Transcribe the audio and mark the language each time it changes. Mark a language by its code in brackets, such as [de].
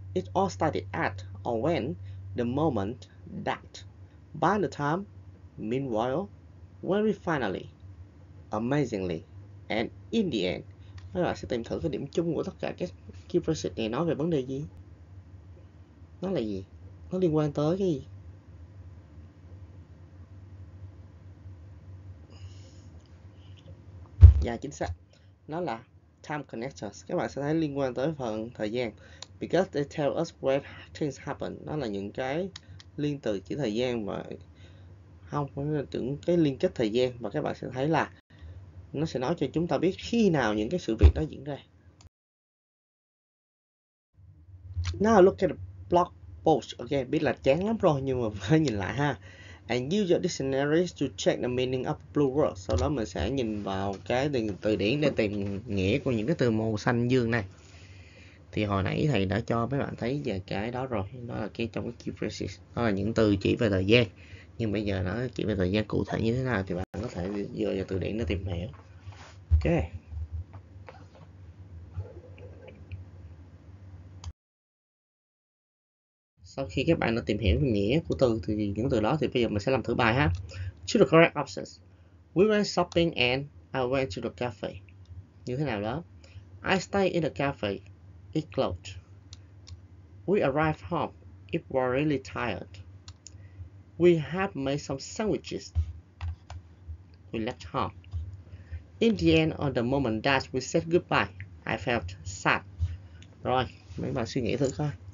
[en] It all started at, or when, the moment, that. By the time, meanwhile, when we finally, amazingly, and in the end. [vi] Các bạn sẽ tìm thử cái điểm chung của tất cả các key phrases này nói về vấn đề gì? Nó là gì? Nó liên quan tới cái gì? Dạ, chính xác. Nó là time connectors. Các bạn sẽ thấy liên quan tới phần thời gian. [en] Because they tell us when things happen. [vi] Nó là những cái liên từ chỉ thời gian mà không, nó là những cái liên kết thời gian. Và các bạn sẽ thấy là nó sẽ nói cho chúng ta biết khi nào những cái sự việc đó diễn ra. [en] Now look at the blog post. [vi] Ok, biết là chán lắm rồi nhưng mà phải nhìn lại ha. [en] And use your dictionary to check the meaning of blue world. [vi] Sau đó mình sẽ nhìn vào cái từ điển để tìm nghĩa của những cái từ màu xanh dương này. Thì hồi nãy thầy đã cho mấy bạn thấy về cái đó rồi. Đó là cái trong cái key phrases. Đó là những từ chỉ về thời gian. Nhưng bây giờ nó chỉ về thời gian cụ thể như thế nào thì bạn có thể dựa vào từ điển để tìm hiểu. Ok. Sau khi các bạn đã tìm hiểu nghĩa của từ thì những từ đó thì bây giờ mình sẽ làm thử bài ha. [en] To the correct options. We went shopping and I went to the cafe. [vi] Như thế nào đó? [en] I stayed in the cafe. It closed. We arrived home. It was really tired. We have made some sandwiches. We left home. In the end, on the moment that we said goodbye, I felt sad. [vi] Rồi, mấy bạn suy nghĩ thử coi.